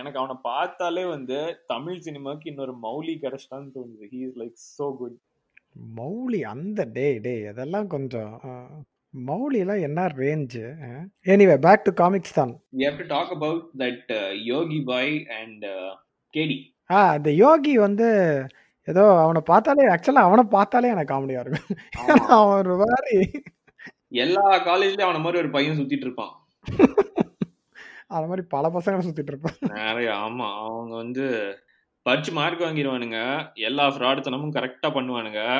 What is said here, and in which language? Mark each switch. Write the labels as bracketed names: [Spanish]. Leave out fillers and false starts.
[Tamil] எனக்கு அவனை பார்த்தாலே வந்து தமிழ் சினிமாக்கு இன்னொரு மௌலி கிடைச்சான்னு தோணுது. அந்த டே டே அதெல்லாம் கொஞ்சம் மௌலிலாம் என்ன range. [English] Anyway back to comics தான். We have to talk about that Yogi boy and KD. [Tamil] The Yogi வந்து ஏதோ அவனை பார்த்தாலே, ஆக்சுவலா அவனை பார்த்தாலே எனக்கு காமெடியா இருக்கும். அவன் ஒரு மாதிரி எல்லா காலேஜ்லயும் அவன மாதிரி ஒரு பையன் சுத்திட்டு இருப்பான். அந்த மாதிரி பல பசங்களை சுத்திட்டு இருப்பான் நிறைய. ஆமா, அவங்க வந்து படிச்சு மார்க் வாங்கிடுவானுங்க, எல்லா ஃப்ராடுத்தனமும் கரெக்டா பண்ணுவானுங்க.